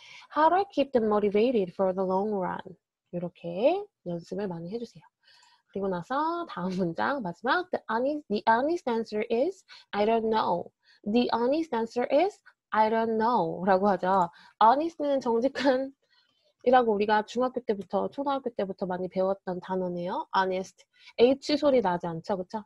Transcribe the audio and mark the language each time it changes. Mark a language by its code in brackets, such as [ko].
[en] How do I keep them motivated for the long run? [ko] 이렇게 연습을 많이 해주세요. 그리고 나서 다음 문장 마지막 [en] the honest answer is I don't know. The honest answer is I don't know라고 [ko] 하죠. Honest는 정직한이라고 우리가 중학교 때부터 초등학교 때부터 많이 배웠던 단어네요. [en] Honest. [ko] H 소리 나지 않죠, 그렇죠?